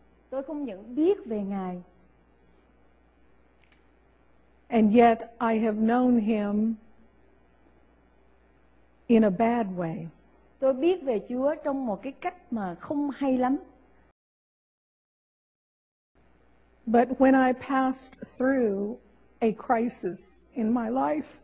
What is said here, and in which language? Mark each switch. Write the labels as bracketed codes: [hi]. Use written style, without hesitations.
[vi] Tôi không nhận biết về Ngài. [en] And yet I have known him in a bad way. [vi] Tôi biết về Chúa trong một cái cách mà không hay lắm. [en] But when I passed through a crisis in my life,